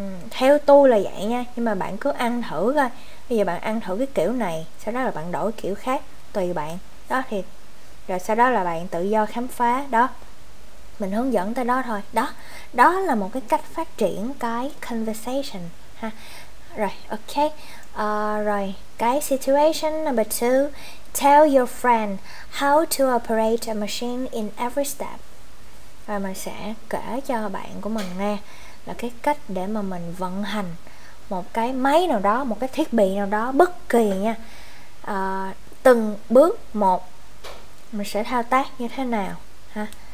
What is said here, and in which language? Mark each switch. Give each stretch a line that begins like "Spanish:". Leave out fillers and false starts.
Vietnamese: Theo tôi là vậy nha, nhưng mà bạn cứ ăn thử coi. Bây giờ bạn ăn thử cái kiểu này, sau đó là bạn đổi kiểu khác, tùy bạn đó. Thì rồi sau đó là bạn tự do khám phá đó, mình hướng dẫn tới đó thôi. Đó là một cái cách phát triển cái conversation ha. Rồi ok. Rồi cái
English: situation number 2, tell your friend how to operate a machine in every step.
Vietnamese: Rồi mình sẽ kể cho bạn của mình nghe là cái cách để mà mình vận hành một cái máy nào đó, một cái thiết bị nào đó, bất kỳ nha, từng bước một mình sẽ thao tác như thế nào ha.